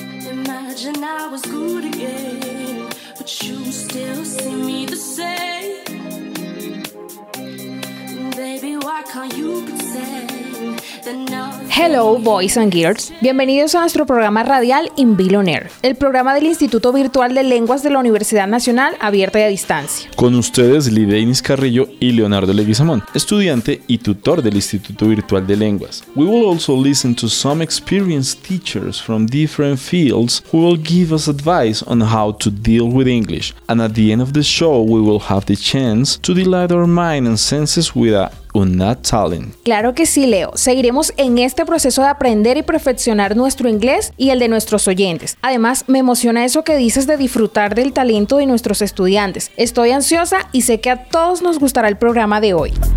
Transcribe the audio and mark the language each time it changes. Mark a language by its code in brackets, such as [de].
[en] Imagine I was good again, but you still see me the same. Baby, why can't you pretend? Hello, boys and girls. [es] Bienvenidos a nuestro programa radial In Villonaire, el programa del Instituto Virtual de Lenguas de la Universidad Nacional Abierta y a Distancia. Con ustedes, Lidenis Carrillo y Leonardo Leguizamón, estudiante y tutor del Instituto Virtual de Lenguas. [en] We will also listen to some experienced teachers from different fields who will give us advice on how to deal with English. And at the end of the show, we will have the chance to delight our mind and senses with a UNAD Talent. [es] Claro que sí, Leo. Seguiremos en este proceso de aprender y perfeccionar nuestro inglés y el de nuestros oyentes. Además, me emociona eso que dices de disfrutar del talento de nuestros estudiantes. Estoy ansiosa y sé que a todos nos gustará el programa de hoy.